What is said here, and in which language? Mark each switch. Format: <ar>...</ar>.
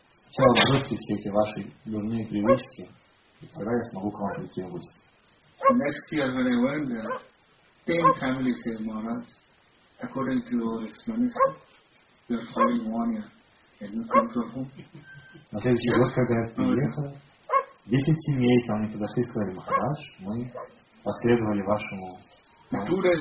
<ru>Сначала бросьте все эти ваши дурные привычки, и тогда я смогу к вам прийти в гости.</ru> <en>Next year when I went there, 10 families here, Maharaj, according to your explanation, we are following 1 year. Can you come to home?</en> <ru>На следующий год, когда я приехал, 10 семей там не подошли и сказали, Махарадж, мы последовали вашему.</ru>